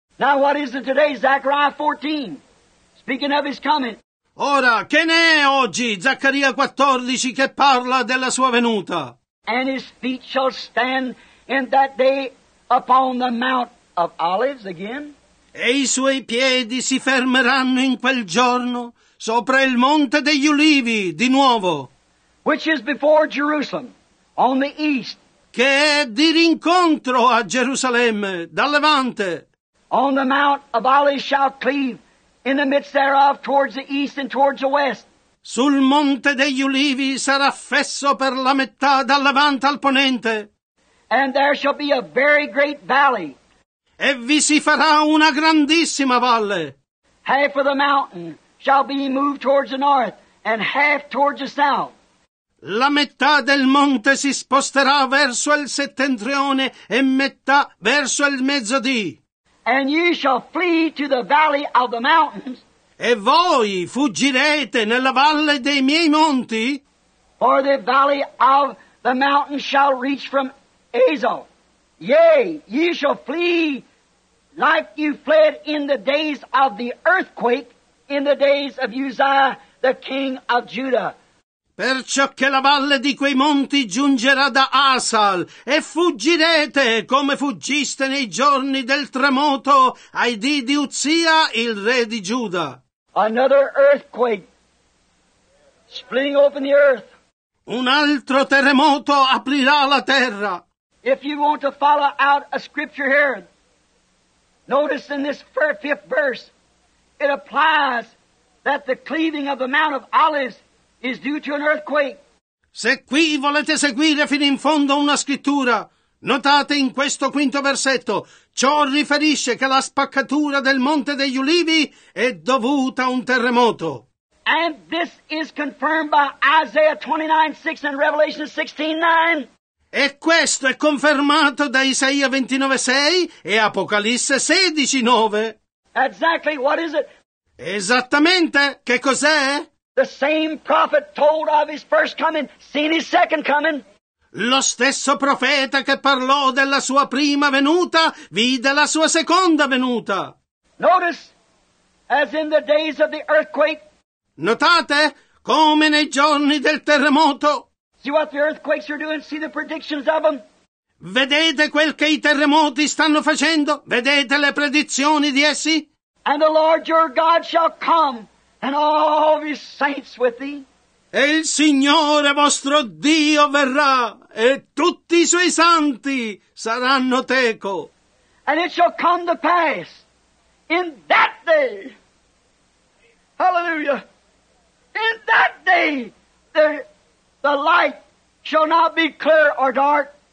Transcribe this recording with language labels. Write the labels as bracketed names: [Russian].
[English] Now what is it today, Zechariah 14? Speaking of his coming. [Italian] Ora, che ne è oggi Zaccaria 14 che parla della sua venuta? [English] And his feet shall stand in that day upon the mount of Olives again. [Italian] E i suoi piedi si fermeranno in quel giorno sopra il monte degli ulivi di nuovo. [English] Which is before Jerusalem, on the east. [Italian] Che è di rincontro a Gerusalemme, dal levante. [English] On the mount of Olives shall cleave. In the midst thereof, towards the east and towards the west. [Italian] Sul monte degli ulivi sarà fesso per la metà dal levante al ponente. [English] And there shall be a very great valley. [Italian] E vi si farà una grandissima valle. [English] Half of the mountain shall be moved towards the north and half towards the south. [Italian] La metà del monte si sposterà verso il settentrione e metà verso il mezzodì. [English] And you shall flee to the valley of the mountains. [Italian] E voi fuggirete nella valle dei miei monti. [English] For the valley of the mountains shall reach from Azel. Yea, ye shall flee like you fled in the days of the earthquake, in the days of Uzziah, the king of Judah. [Italian] Perciò che la valle di quei monti giungerà da Asal, e fuggirete come fuggiste nei giorni del tremoto ai dì di Uzzia, il re di Giuda. [English] Another earthquake, splitting open the earth. [Italian] Un altro terremoto aprirà la terra. [English] If you want to follow out a scripture here, notice in this 5th verse, it applies that the cleaving of the Mount of Olives is due to an earthquake. [Italian] Se qui volete seguire fino in fondo una scrittura, notate in questo 5° versetto, ciò riferisce che la spaccatura del monte degli ulivi è dovuta a un terremoto. [English] And this is confirmed by Isaiah 29:6 and Revelation 16:9. [Italian] E questo è confermato da Isaia 29:6 e Apocalisse 16:9. [English] Exactly, what is it? [Italian] Esattamente, che cos'è? [English] The same prophet told of his first coming, seen his second coming. [Italian] Lo stesso profeta che parlò della sua prima venuta, vide la sua seconda venuta. [English] Notice, as in the days of the earthquake. [Italian] Notate, come nei giorni del terremoto. [English] See what the earthquakes are doing, see the predictions of them. [Italian] Vedete quel che i terremoti stanno facendo, vedete le predizioni di essi. [English] And the Lord your God shall come. And all of his saints with thee. [Italian] E il Signore vostro Dio verrà, e tutti i suoi santi saranno teco. [English] And it shall come to pass in that day. Hallelujah. In that day the light shall not be clear or dark.